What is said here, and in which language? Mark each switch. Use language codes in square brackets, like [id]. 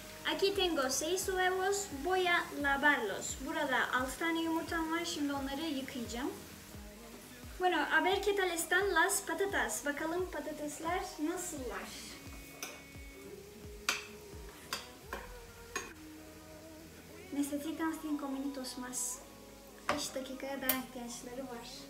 [es] Aquí tengo 6 huevos, voy a lavarlos. [tr] Burada, altan yumurtalar şimdi onları yıkayacağım. [es] Bueno, a ver qué tal están las patatas. [tr] Bakalım patatesler nasıllar. [es] Necesitan 5 minutos más. [tr] 5 dakikaya daha ihtiyaçları var.